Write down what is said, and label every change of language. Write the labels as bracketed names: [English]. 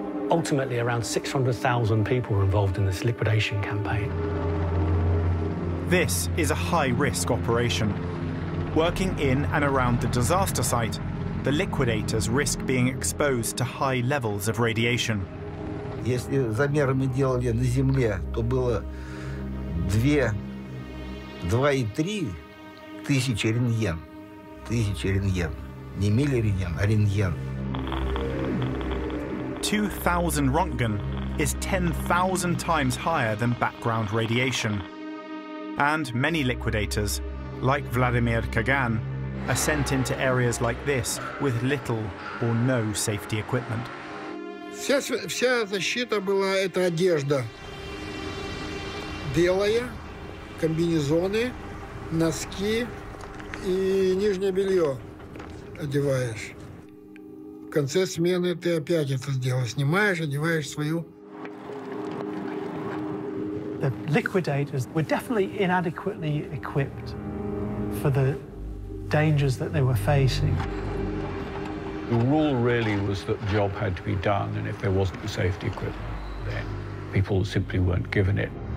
[English] Ultimately, around 600,000 people were involved in this liquidation campaign. This is a high-risk operation. Working in and around the disaster site, the liquidators risk being exposed to high levels of radiation. [Russian] Если замеры мы делали на земле, то было 2,3 тысячи рентген. Тысячи рентген. Не миллирентген, а рентген. [English] 2,000 röntgen is 10,000 times higher than background radiation. And many liquidators, like Vladimir Kagan, are sent into areas like this with little or no safety equipment. [Russian] Вся защита была это одежда. Белая, комбинезоны, носки и нижнее белье одеваешь. В конце смены ты опять это сделаешь. Снимаешь, одеваешь свою. [English] The liquidators were definitely inadequately equipped for the dangers that they were facing. The rule really was that the job had to be done, and if there wasn't the safety equipment, then people simply weren't given it.